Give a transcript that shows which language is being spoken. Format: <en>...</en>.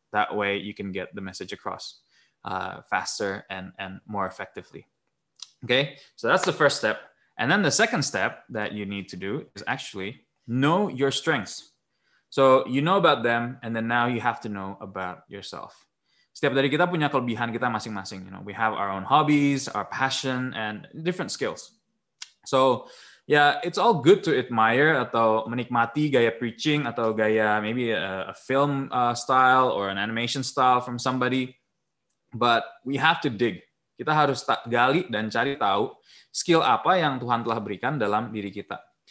<en>That way you can get the message across faster and more effectively. Okay, so that's the first step. And then the second step that you need to do is actually know your strengths. So you know about them, and then now you have to know about yourself.</en> <id>Setiap dari kita punya kelebihan kita masing-masing.</id> <en>We have our own hobbies, our passion, and different skills. So yeah, it's all good to admire</en> <id>atau menikmati gaya preaching atau gaya</id> <en>maybe a film style or an animation style from somebody. But we have to dig.</en> <id>Kita harus gali dan cari tahu skill apa yang Tuhan telah berikan dalam diri kita.</id>